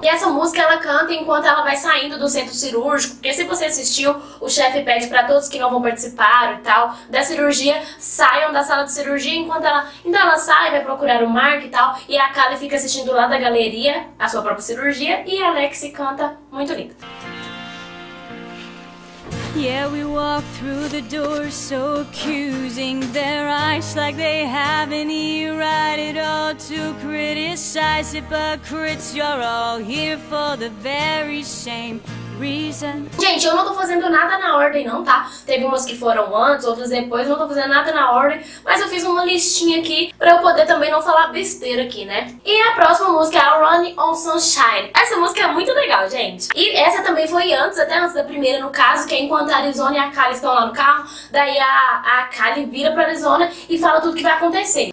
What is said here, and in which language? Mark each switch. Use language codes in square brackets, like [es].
[pt] E essa música ela canta enquanto ela vai saindo do centro cirúrgico, porque se você assistiu, o chefe pede pra todos que não vão participar e tal, da cirurgia, saiam da sala de cirurgia enquanto ela... Então ela sai, vai procurar o Mark e tal, e a Kali fica assistindo lá da galeria a sua própria cirurgia, e a Lexi canta muito linda. [en] Yeah, we walk through the door so accusing their eyes like they have any right at all to criticize hypocrites. You're all here for the very same reason. [pt] Gente, eu não tô fazendo nada na ordem não, tá? Teve umas que foram antes, outras depois, não tô fazendo nada na ordem, mas eu fiz uma listinha aqui pra eu poder também não falar besteira aqui, né? E a próxima música é a Running on Sunshine. Essa música é muito legal, gente. E essa também foi antes, até antes da primeira, no caso, que é enquanto a Arizona e a Kali estão lá no carro, daí a Kali vira pra Arizona e fala tudo que vai acontecer.